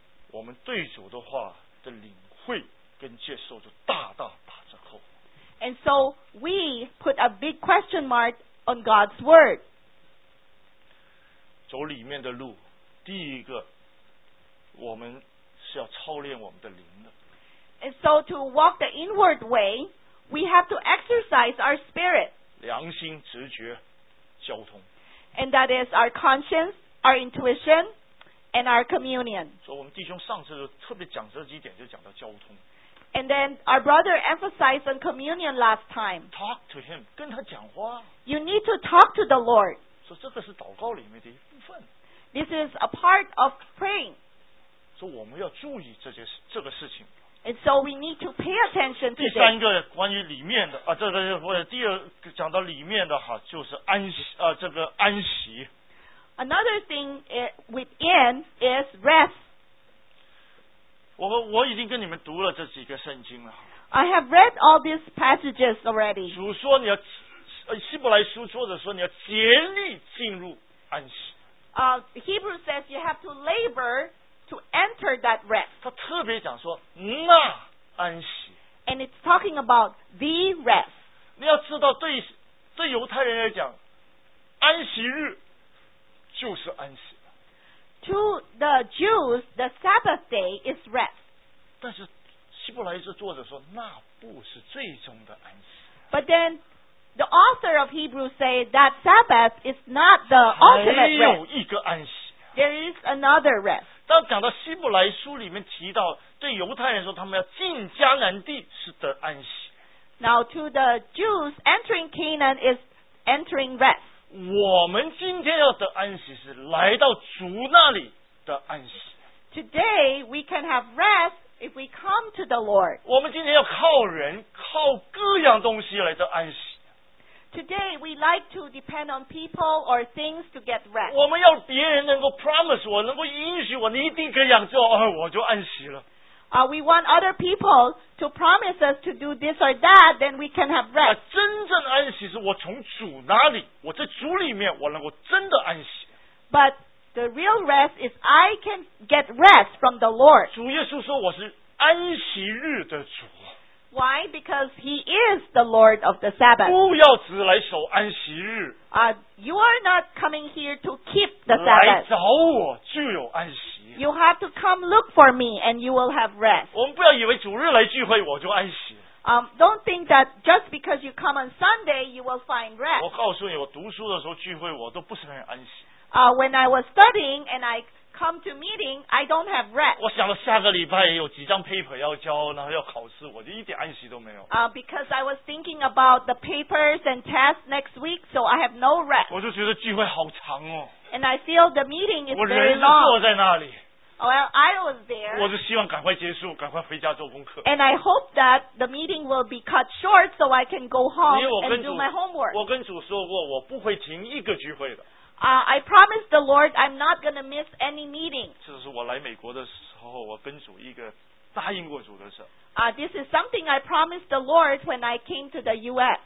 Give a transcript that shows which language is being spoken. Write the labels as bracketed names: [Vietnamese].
[Chinese] 我们对主的话的领会跟接受就大大打折扣。 [English] And so we put a big question mark on God's word. [Chinese] 走里面的路，第一个，我们是要操练我们的灵的。 [English] And so to walk the inward way, we have to exercise our spirit. [Chinese] 良心、直觉、交通。 [English] And that is our conscience, our intuition, and our communion. [Chinese] 所以我们弟兄上次就特别讲这几点，就讲到交通。 [English] And then our brother emphasized on communion last time. Talk to him, [Chinese] 跟他讲话。 [English] You need to talk to the Lord. [Chinese] 所以这个是祷告里面的一部分。 [English] This is a part of praying. [Chinese] 所以我们要注意这个事情。 [English] And so we need to pay attention to this. [Chinese] 第三个关于里面的啊，第二讲到里面的哈，就是安息啊，这个安息。 [English] Another thing within is rest. [Chinese] 我已经跟你们读了这几个圣经了。 [English] I have read all these passages already. [Chinese] 主说你要希伯来书作者说你要竭力进入安息。 [English] Hebrew says you have to labor to enter that rest. [Chinese] 他特别讲说那安息。 [English] And it's talking about the rest. [Chinese] 你要知道对犹太人来讲，安息日就是安息。 [English] To the Jews, the Sabbath day is rest. [Chinese] 但是希伯来书作者说那不是最终的安息。 [English] But then,The author of Hebrews say that Sabbath is not the ultimate rest. [Chinese] 还有一个安息。 [English] There is another rest. [Chinese] 当讲到希伯来书里面提到对犹太人说他们要进迦南地是得安息。 [English] Now to the Jews, entering Canaan is entering rest. [Chinese] 我们今天要得安息是来到主那里的安息。 [English] Today we can have rest. If we come to the Lord, [Chinese] 我们今天要靠人，靠各样东西来得安息。 [English] Today we like to depend on people or things to get rest. [Chinese] 我们要别人能够 promise 我，能够允许我，你一定这样做，我就安息了。 [English] We want other people to promise us to do this or that, then we can have rest. [Chinese] 真正安息是我从主那里，我在主里面，我能够真的安息。 [English] But The real rest is I can get rest from the Lord. [Chinese] 主耶稣说我是安息日的主。 [English] Why? Because he is the Lord of the Sabbath. [Chinese] 不要只来守安息日。 [English] You are not coming here to keep the Sabbath. [Chinese] 来找我就有安息。 [English] You have to come look for me and you will have rest. [Chinese] 我们不要以为主日来聚会我就安息。 [English] Don't think that just because you come on Sunday you will find rest. [Chinese] 我告诉你我读书的时候聚会我都不是很安息。 [English] When I was studying and I come to meeting, I don't have rest. [Chinese] 我想到下个礼拜有几张 paper 要交，然后要考试，我就一点安息都没有。 [English] Because I was thinking about the papers and tests next week, so I have no rest. [Chinese] 我就觉得聚会好长哦。 [English] And I feel the meeting is very long. [Chinese] 我人是坐在那里。 [English] Well, I was there. [Chinese] 我就希望赶快结束，赶快回家做功课。 [English] And I hope that the meeting will be cut short so I can go home and do my homework. [Chinese] 我跟主说过，我不会停一个聚会的。 [English] I promise the Lord I'm not going to miss any meeting. [Chinese] 这是我来美国的时候我跟主一个答应过主的事。 [English] This is something I promised the Lord when I came to the U.S.